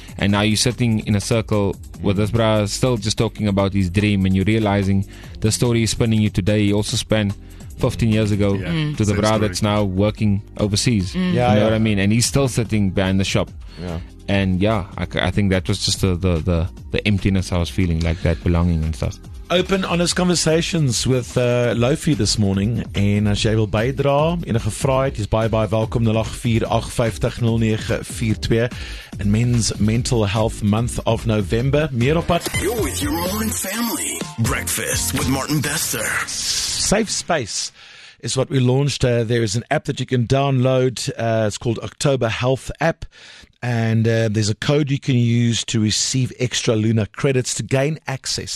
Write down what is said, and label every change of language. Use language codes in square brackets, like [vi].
[en] And now you're sitting in a circle with this bro still just talking about his dream, and you're realizing the story he's spinning you today, he also spent 15 years ago to the bra that's now working overseas. What I mean? And he's still sitting behind the shop. I think that was just the emptiness I was feeling, like that belonging and stuff. Open, honest conversations with Lofi this morning. [af] And as jy wil bydra, enige vraag het, jy is baie, baie welkom. [en] 0848-50-0942. And Men's Mental Health Month of November. [af] Meer op pad. [en] You're with your own family. Breakfast with Martin Bester. Safe Space is what we launched. There is an app that you can download. It's called October Health App. And there's a code you can use to receive extra Lunar credits to gain access.